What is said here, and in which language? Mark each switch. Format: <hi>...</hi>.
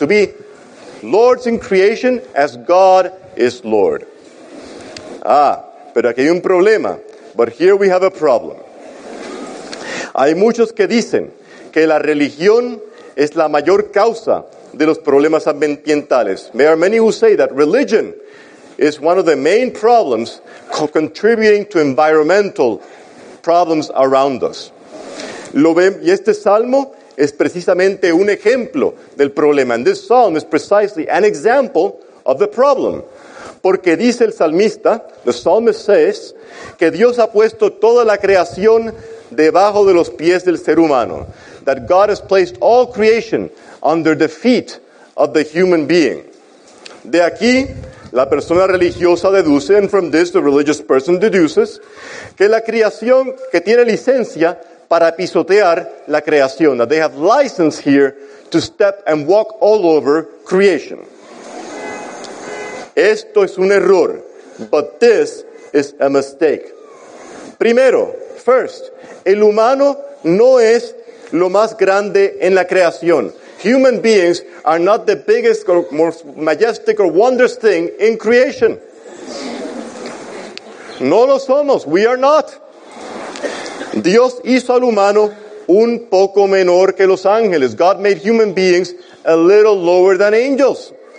<en>To be lords in creation as God is Lord.</en> <es>Ah, pero aquí hay un problema.</es> <en>But here we have a problem.</en> <es>Hay muchos que dicen que la religión es la mayor causa de los problemas ambientales.</es> <en>There are many who say that religion is one of the main problems contributing to environmental problems around us.</en> <es>Y este salmo es precisamente un ejemplo del problema.</es> <en>And this psalm is precisely an example of the problem.</en> <es>Porque dice el salmista,</es> <en>the psalmist says,</en> <es>que Dios ha puesto toda la creación debajo de los pies del ser humano.</es> <en>That God has placed all creation under the feet of the human being.</en> <es>De aquí, la persona religiosa deduce,</es> <en>and from this the religious person deduces,</en> <es>que la creación que tiene licencia para pisotear la creación.</es> <en>That they have license here to step and walk all over creation.</en> <es>Esto es un error,</es> <en>but this is a mistake.</en> <es>Primero,</es> <en>first,</en> <es>el humano no es lo más grande en la creación.</es> <en>Human beings are not the biggest or most majestic or wondrous thing in creation.</en> <es>No lo somos,</es> <en>we are not.</en> <es>Dios hizo al humano un poco menor que los ángeles.</es> <en>God made human beings a little lower than angels.</en>